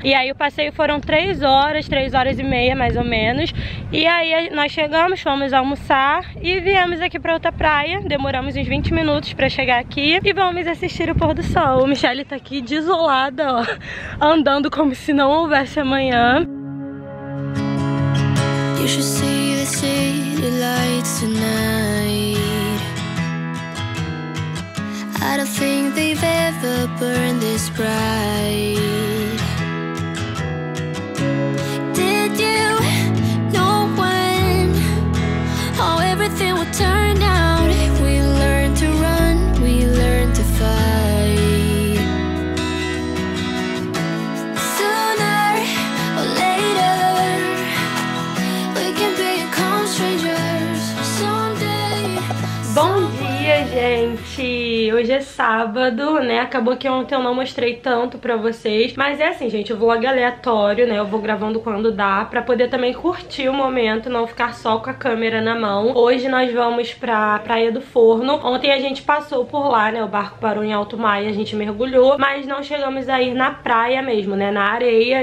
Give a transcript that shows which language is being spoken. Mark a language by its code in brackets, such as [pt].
[pt] E aí o passeio foram 3 horas e meia, mais ou menos. E aí nós chegamos, fomos almoçar e viemos aqui pra outra praia. Demoramos uns 20 minutos pra chegar aqui e vamos assistir o pôr do sol. O Michelle tá aqui desolada, ó, andando como se não houvesse amanhã. [en] You should see the city lights tonight. I don't think they've ever burned this bright. Did you know when how everything would turn out? We learned to run, we learned to fight. Sooner or later, we can become strangers someday. [pt] Bom dia, gente! Hoje é sábado, né? Acabou que ontem eu não mostrei tanto pra vocês. Mas é assim, gente, o vlog aleatório, né? Eu vou gravando quando dá, pra poder também curtir o momento, não ficar só com a câmera na mão. Hoje nós vamos pra Praia do Forno. Ontem a gente passou por lá, né? O barco parou em alto mar e a gente mergulhou, mas não chegamos a ir na praia mesmo, né? Na areia.